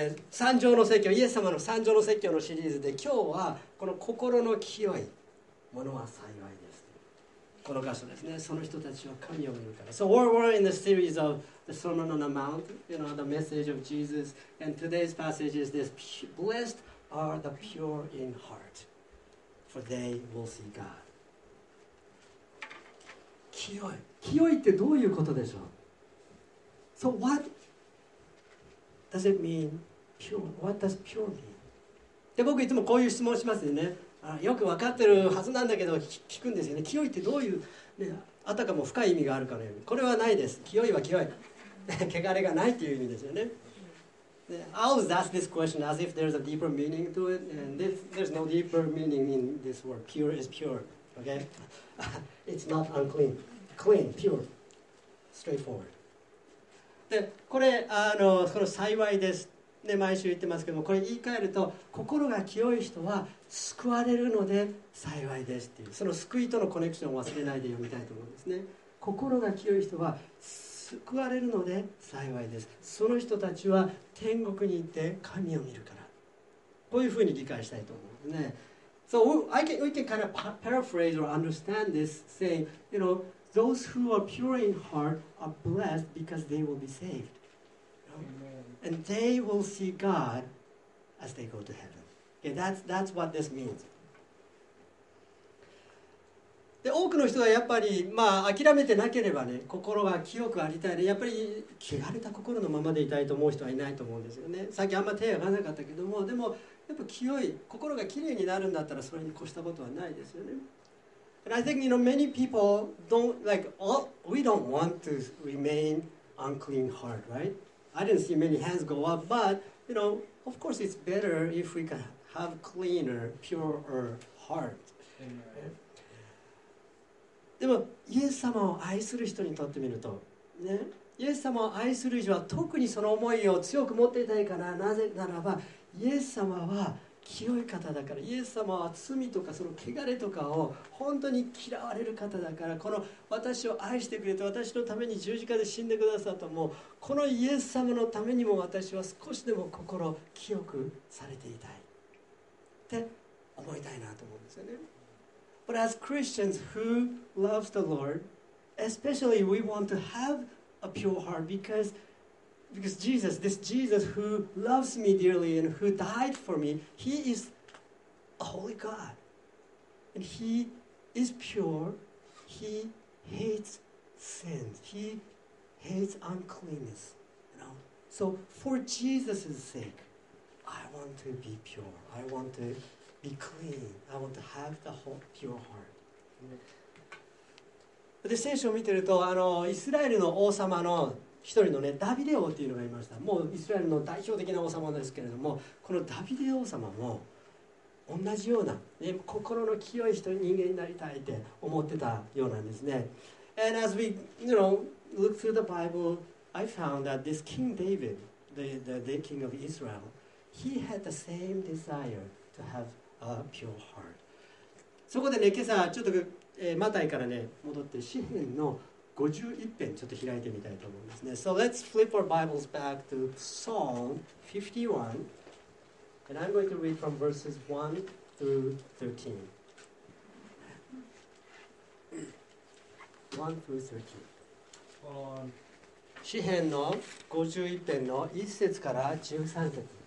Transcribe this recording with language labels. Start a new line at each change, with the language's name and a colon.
Japanese: 三条の説教、イエス様の三条の説教のシリーズで、今日はこの心の清いものは幸いです、ね、この箇所ですね。その人たちは神を見るから。
English: So we're in the series of the Sermon on the Mount, you know, the message of Jesus, and today's passage is this: Blessed are the pure in heart, for they will see God.
Japanese: 清い、清いってどういうことでしょう。
English: So what Does it mean pure? What does pure mean?
Japanese: で、僕いつもこういう質問しますよね。あ、よく分かってるはずなんだけど聞くんですよね。清いってどういう、ね、あたかも深い意味があるかのように。これはないです。清いは清い。汚れがないっていう意味ですよね。
English: I always ask this question as if there's a deeper meaning to it, and there's no deeper meaning in this word. Pure is pure, okay? It's not unclean. Clean, pure, straightforward.
Japanese: でこれあの、この幸いです、ね、毎週言ってますけども、これ言い換えると心が清い人は救われるので幸いですっていう、その救いとのコネクションを忘れないで読みたいと思うんですね。心が清い人は救われるので幸いです。その人たちは天国に行って神を見るから、こういうふうに理解したいと思うんですね。
English: So we can kind of paraphrase or understand this saying, you know, those who are pure in heart are blessed because they will be saved. Amen. And they will see God as they go to heaven. Okay, that's what this means.
Japanese: で、多くの人はやっぱり、まあ、諦めてなければね、心が清くありたいね、やっぱり汚れた心のままでいたいと思う人はいないと思うんですよね。さっきあんま手が上がらなかったけども、でもやっぱ清い、心がきれいになるんだったらそれに越したことはないですよね。
English: And I think, you know, many people don't, like, all, we don't want to remain unclean heart, right? I didn't see many hands go up, but, you know, of course it's better if we can have cleaner, purer heart.
Japanese: でも、イエス様を愛する人にとってみると、ね、イエス様を愛する以上は特にその思いを強く持っていたいから、なぜならば、イエス様は清い方だから、イエス様は罪とかその汚れとかを本当に嫌われる方だから、この私を愛してくれて、私のために十字架で死んでくださったも、このイエス様のためにも私は少しでも心清くされていたいって思いたいなと思うんですよね。
English: But as Christians who love the Lord, especially we want to have a pure heart because Jesus, this Jesus who loves me dearly and who died for me, he is a holy God. And he is pure. He hates sins. He hates uncleanness. You know? So for Jesus' sake, I want to be pure. I want to... Be clean. I want to have the whole pure heart.
Japanese: で、聖書を見てると、あのイスラエルの王様の一人のね、ダビデ王っていうのがいました。もうイスラエルの代表的な王様ですけれども、このダビデ王様も同じような、ね、心の清い人間になりたいって思ってたようなんですね。
English: And as we, you know, look through the Bible, I found that this King David, the king of Israel, he had the same desire to have a pure heart.
Japanese: そこでね、今朝ちょっと、マタイからね、戻って詩篇の51編ちょっと開いてみたいと思いますね。
English: So let's flip our Bibles back to Psalm 51 and I'm going to read from verses 1 through 13. 1 through 13.
Japanese: 詩篇の51編の1節から13節。